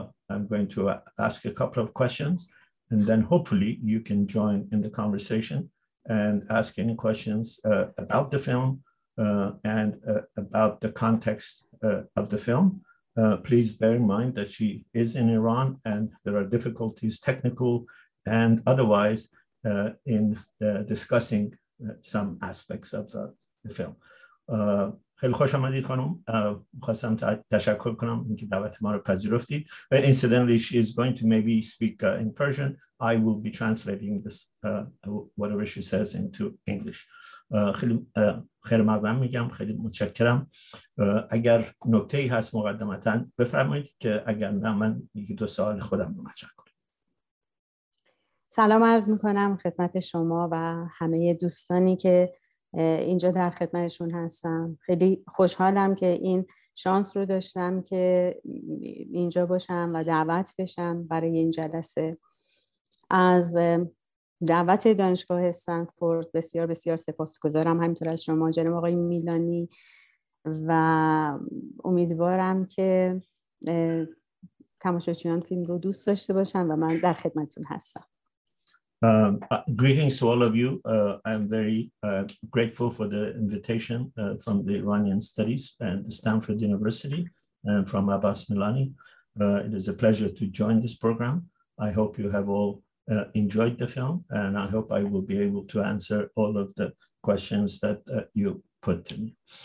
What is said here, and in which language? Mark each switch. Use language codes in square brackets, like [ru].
[en] I'm going to ask a couple of questions, and then hopefully you can join in the conversation and ask any questions about the film and about the context of the film. Please bear in mind that she is in Iran and there are difficulties, technical and otherwise, in discussing some aspects of the film. [fa] خیلی خوش آمدید خانم. خواستم تشکر کنم اینکه دعوت ما رو پذیرفتید. [en] Incidentally, she is going to maybe speak in Persian. I will be translating this, whatever she says, into English. [fa] خیلی ممنون میگم. خیلی متشکرم. اگر نکته ای هست مقدمتا بفرمایید که اگر نه من یکی دو سوال خودم رو مطرح کنم. سلام عرض میکنم خدمت شما و همه دوستانی که اینجا در خدمتشون هستم. خیلی خوشحالم که این شانس رو داشتم که اینجا باشم و دعوت بشم برای این جلسه. از دعوت دانشگاه استنفورد بسیار بسیار سپاسگزارم، همینطور از شما جناب آقای میلانی، و امیدوارم که تماشاگران فیلم رو دوست داشته باشن و من در خدمتتون هستم. [en] Greetings to all of you. I'm very grateful for the invitation from the Iranian Studies and Stanford University and from Abbas Milani. It is a pleasure to join this program. I hope you have all enjoyed the film, and I hope I will be able to answer all of the questions that you put to me.